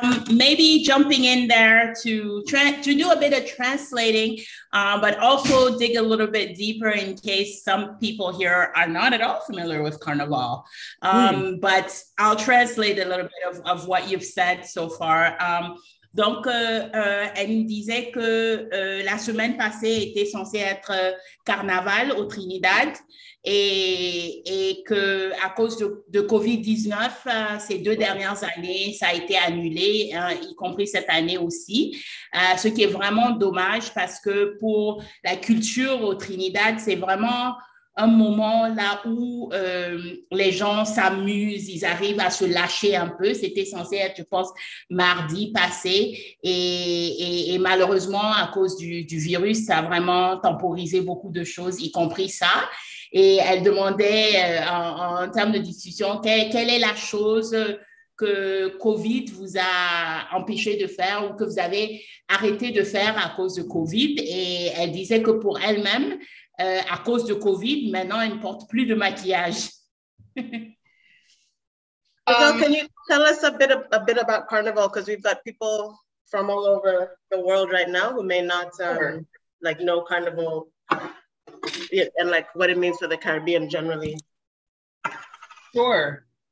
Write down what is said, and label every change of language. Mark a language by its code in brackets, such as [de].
[en] Maybe jumping in there to do a bit of translating, but also dig a little bit deeper in case some people here are not at all familiar with carnival. But I'll translate a little bit of what you've said so far. [fr] Elle nous disait que la semaine passée était censée être carnaval au Trinidad et que à cause de COVID-19, ces deux dernières années, ça a été annulé, y compris cette année aussi, ce qui est vraiment dommage parce que pour la culture au Trinidad, c'est vraiment un moment là où les gens s'amusent, ils arrivent à se lâcher un peu. C'était censé être, je pense, mardi passé. Et malheureusement, à cause du virus, ça a vraiment temporisé beaucoup de choses, y compris ça. Et elle demandait, en termes de discussion, quelle est la chose que COVID vous a empêché de faire ou que vous avez arrêté de faire à cause de COVID. Et elle disait que pour elle-même, à cause de COVID, maintenant, elle ne porte plus de maquillage. [en] Jeselle, can you tell us a bit about carnival? Because we've got people from all over the world right now who may not like know carnival and like what it means for the Caribbean generally. Sure.